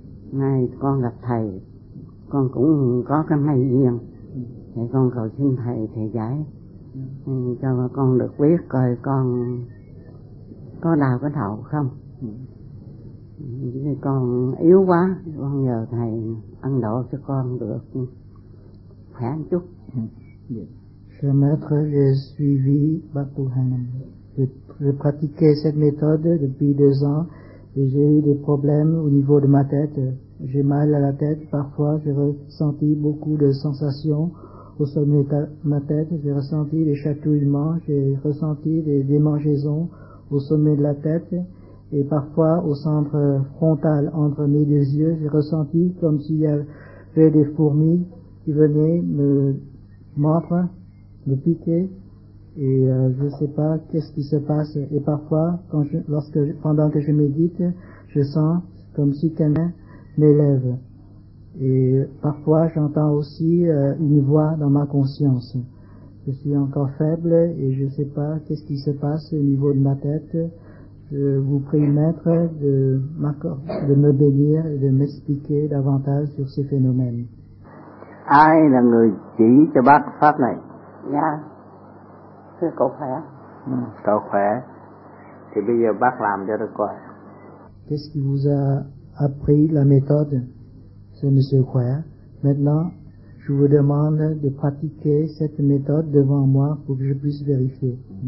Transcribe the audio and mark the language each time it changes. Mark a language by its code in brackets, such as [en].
[vi] Ngày con gặp thầy con cũng có cái may duyên, thì con cầu xin thầy giải cho con được biết coi con có đau cái đầu không. Con yếu quá, con nhờ thầy ăn độ cho con được khỏe một chút. [fr] Chers maîtres, j'ai suivi Bapu Hanam. Je pratiquais cette méthode depuis 2 ans et j'ai eu des problèmes au niveau de ma tête. J'ai mal à la tête, parfois j'ai ressenti beaucoup de sensations au sommet de ma tête. J'ai ressenti des chatouillements, j'ai ressenti des démangeaisons au sommet de la tête et parfois au centre frontal entre mes deux yeux. J'ai ressenti comme s'il y avait des fourmis qui venaient me mordre, me piquer, et je ne sais pas qu'est-ce qui se passe. Et parfois, pendant que je médite, je sens comme si quelqu'un m'élève. Et parfois, j'entends aussi une voix dans ma conscience. Je suis encore faible et je ne sais pas qu'est-ce qui se passe au niveau de ma tête. Je vous prie, maître, de me bénir et de m'expliquer davantage sur ces phénomènes. [vi] Ai là người chỉ cho bác pháp này? Dạ, thưa cậu khỏe. Cậu khỏe, thì bây giờ bác làm cho tôi coi. [fr] Qu'est-ce qui vous a appris la méthode, c'est monsieur khỏe. Maintenant, je vous demande de pratiquer cette méthode devant moi pour que je puisse vérifier.